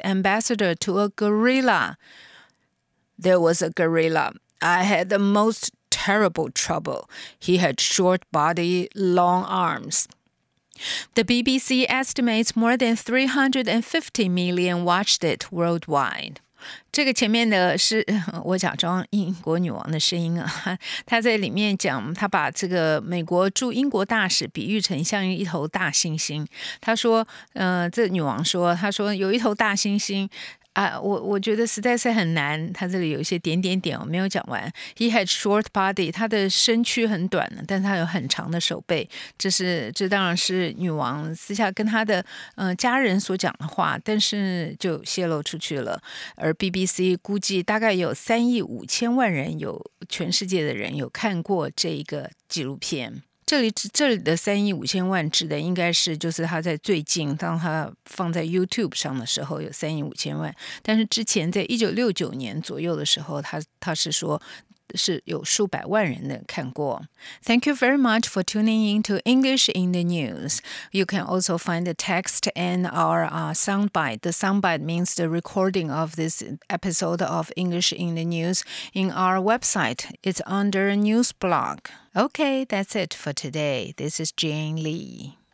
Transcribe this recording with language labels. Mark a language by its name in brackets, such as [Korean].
[English] ambassador to a gorilla. There was a gorilla. I had the most terrible trouble. He had short body, long arms. The BBC estimates more than 350 million watched it worldwide. [Chinese] 这个前面的是我假装英国女王的声音啊，她在里面讲，她把这个美国驻英国大使比喻成像一头大猩猩。她说，这女王说，她说有一头大猩猩啊，我觉得实在是很难。她这里有一些点点点我没有讲完。 [English] He had short body， [Chinese] 她的身躯很短，但她有很长的手背。这当然是女王私下跟她的家人所讲的话，但是就泄露出去了。而 BBC 估计大概有3亿5千万人，有全世界的人有看过这一个纪录片。这里的3亿5千万指的应该是就是他在最近当他放在 YouTube 上的时候有3亿5千万，但是之前在1969年左右的时候他是说是有数百万人的看过。 [English] Thank you very much for tuning in to English in the News. You can also find the text and our soundbite. The soundbite means the recording of this episode of English in the News in our website. It's under News Blog. Okay, that's it for today. This is Jane Lee.